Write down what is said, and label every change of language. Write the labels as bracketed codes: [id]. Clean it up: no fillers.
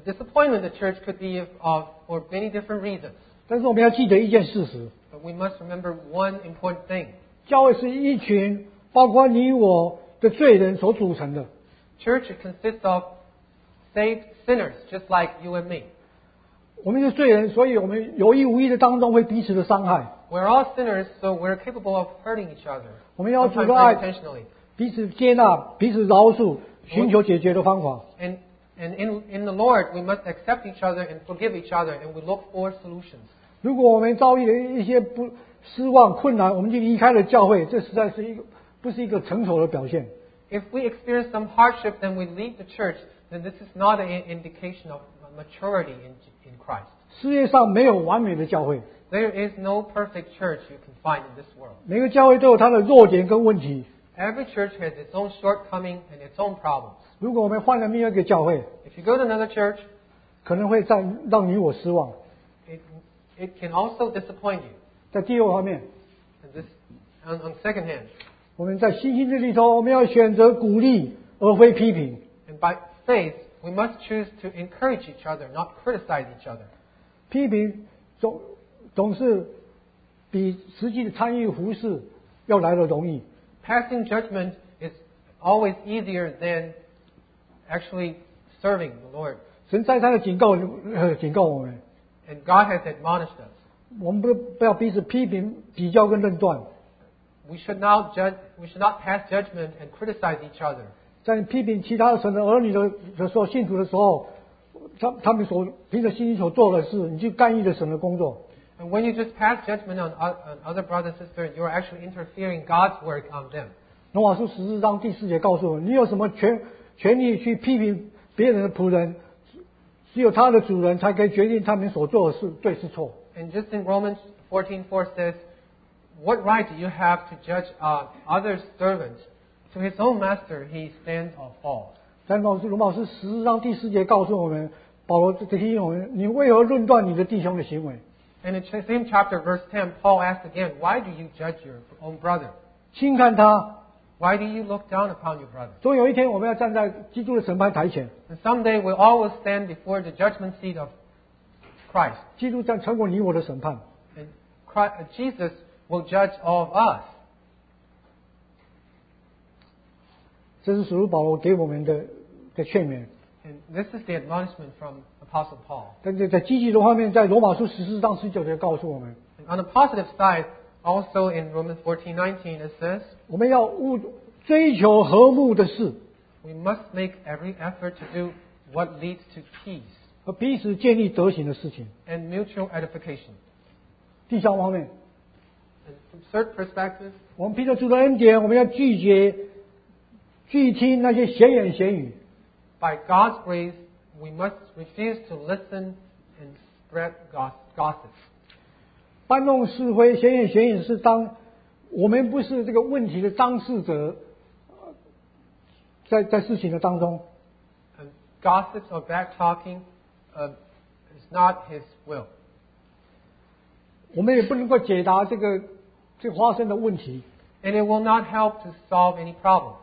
[en] disappointment of the church could be for many different reasons. [zh] 但是我们要记得一件事实。 [en] But we must remember one important thing. [zh] 教会是一群包括你我的罪人所组成的。 [en] Church consists of saved sinners, just like you and me. [zh] 我们是罪人，所以我们有意无意的当中会彼此的伤害。 [en] We're all sinners, so we're capable of hurting each other. [zh] 我们要主的爱，彼此接纳，彼此饶恕，寻求解决的方法。 [en] And in the Lord, we must accept each other and forgive each other, and we look for solutions. [zh] 如果我们遭遇了一些不失望、困难，我们就离开了教会，这实在是一个不是一个成熟的表现。 [en] If we experience some hardship, then we leave the church, then this is not an indication of maturity in Christ. [zh] 世界上没有完美的教会。 [en] There is no perfect church you can find in this world. [zh] 每个教会都有它的弱点跟问题。 [en] Every church has its own shortcomings and its own problems. [zh] 如果我们换了另外一个教会， [en] If you go to another church, [zh] 可能会再让你我失望。 [en] It can also disappoint you. [zh] 在第二方面， [en] and this, on second hand, [zh] 我们在信心之旅里头，我们要选择鼓励而非批评。 [en] And by faith, we must choose to encourage each other, not criticize each other. [zh] 批评总是比实际的参与服事要来得容易。 [en] Passing judgment is always easier than actually serving the Lord. [zh] 神再三的警告我们。 [en] And God has admonished us. [zh] 我们不要彼此批评、比较跟论断。 [en] We should not pass judgment and criticize each other. [zh] 在批评其他神的儿女的时候、信徒的时候，他们所凭着信心所做的事，你去干预了神的工作。 [en] And when you just pass judgment on other brothers and sisters, you are actually interfering God's work on them. [zh] 罗马书十四章第四节告诉我们，你有什么权利去批评别人的仆人？只有他的主人才可以决定他们所做的是对是错。 [en] And just in Romans 14:4 says, "What right do you have to judge other servants? To his own master he stands or falls." [zh] 在罗马书十四章第四节告诉我们，保罗提醒我们，你为何论断你的弟兄的行为？ [en] And in the same chapter, verse 10, Paul asked again, why do you judge your own brother? [zh] 轻看他。 [en] Why do you look down upon your brother? [zh] 总有一天我们要站在基督的审判台前。 [en] And someday we all will stand before the judgment seat of Christ. [zh] 基督将成为你我的审判。 [en] And Christ, Jesus will judge all of us. [zh] 这是使徒保罗给我们的劝勉。 [en] And this is the admonishment from Apostle Paul. [zh] 在积极的方面，在罗马书十四章十九节告诉我们。 [en] And on the positive side, also in Romans 14:19, it says, [zh] 我们要追求和睦的事。 [en] We must make every effort to do what leads to peace. [zh] 和彼此建立德行的事情。 [en] And mutual edification. [zh] 第三方面。 [en] And from third perspective, [zh] 我们凭着主的恩典，我们要拒绝、拒听那些闲言闲语。 [en] By God's grace, we must refuse to listen and spread gossip. [zh] 搬弄是非、闲言闲语是当我们不是这个问题的当事者，在事情的当中。 [en] And gossip or bad talking, is not His will. [zh] 我们也不能够解答这个发生的问题。 [en] And it will not help to solve any problem.